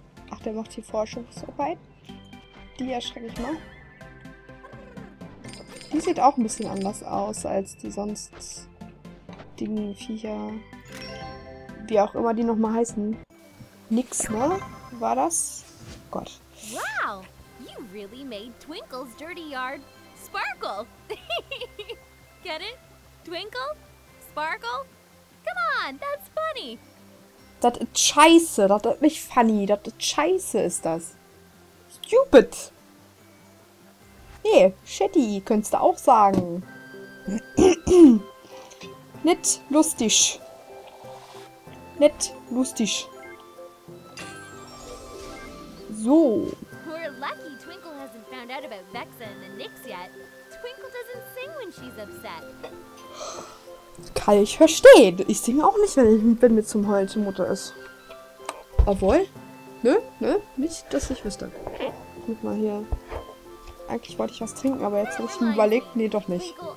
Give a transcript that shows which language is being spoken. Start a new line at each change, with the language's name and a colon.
German: Ach, der macht hier Forschungsarbeit. Die erschrecke ich mal. Die sieht auch ein bisschen anders aus als die sonst Dingen, Viecher, wie auch immer die nochmal heißen. Nix, ne? War das? Gott. Wow!
English: You really made Twinkle's dirty yard sparkle! Get it? Twinkle? Sparkle? Come on, that's funny!
German: Das ist scheiße, das ist nicht funny, das ist scheiße ist das.
English: Stupid!
German: Nee, shitty, könntest du auch sagen. Nicht lustig. Nicht lustig. So.
English: Poor lucky Twinkle hasn't found out about Vexa and the Nyx yet. Twinkle doesn't sing when she's upset.
German: Kann ich verstehen. Ich singe auch nicht, wenn ich bin mit zum Heulen Mutter ist. Obwohl, ne, nicht, dass ich wüsste. Guck mal hier. Eigentlich wollte ich was trinken, aber jetzt habe ich mir überlegt, nee, doch nicht.